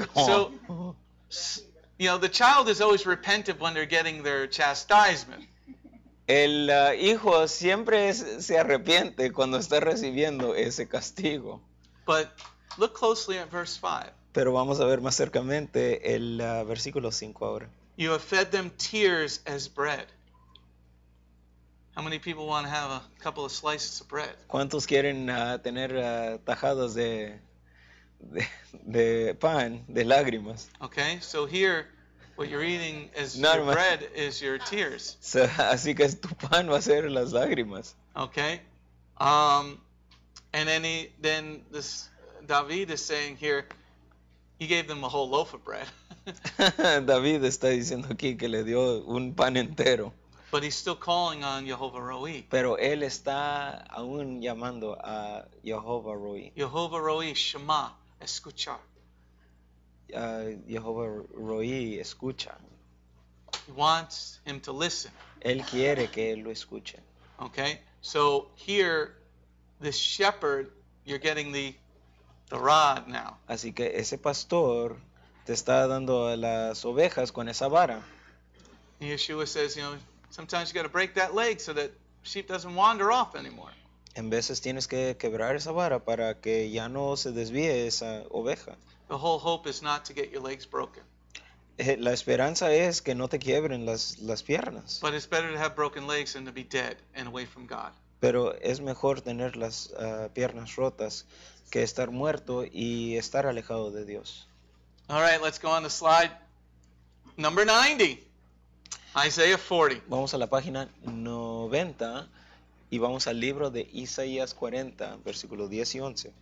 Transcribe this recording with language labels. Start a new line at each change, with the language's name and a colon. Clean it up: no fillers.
English: So, you know, the child is always repentant when they're getting their chastisement.
Spanish: El hijo siempre se arrepiente cuando está recibiendo ese castigo.
English: But look closely at verse 5.
Spanish: Pero vamos a ver más cercamente el versículo 5 ahora.
English: You have fed them tears as bread. How many people want to have a couple of slices of bread?
Spanish: ¿Cuántos quieren tener tajadas de pan, de lágrimas?
English: Okay, so here, what you're eating is your bread is your tears.
Spanish: So, así que tu pan va a ser las lágrimas.
English: Okay. And then this David is saying here, he gave them a whole loaf of bread.
Spanish: David está diciendo aquí que le dio un pan entero.
English: But he's still calling on Jehovah Roi.
Spanish: Pero él está aún llamando a Jehovah Roi. Jehovah Roi, Shema, escucha. Jehovah Roi, escucha.
English: He wants him to listen.
Spanish: Él quiere que él lo escuche.
English: Okay, so here, this shepherd, you're getting the rod now.
Spanish: Así que ese pastor te está dando las ovejas con esa vara.
English: Yeshua says, you know, sometimes you got to break that leg so that sheep doesn't wander off anymore.
Spanish: En veces tienes que quebrar esa vara para que ya no se desvíe esa oveja.
English: The whole hope is not to get your legs broken.
Spanish: La esperanza es que no te quiebren las piernas.
English: But it's better to have broken legs than to be dead and away from God.
Spanish: Pero es mejor tener las piernas rotas que estar muerto y estar alejado de Dios.
English: All right, let's go on to slide number 90, Isaiah 40.
Spanish: Vamos a la página 90 y vamos al libro de Isaías 40, versículo 10 y 11.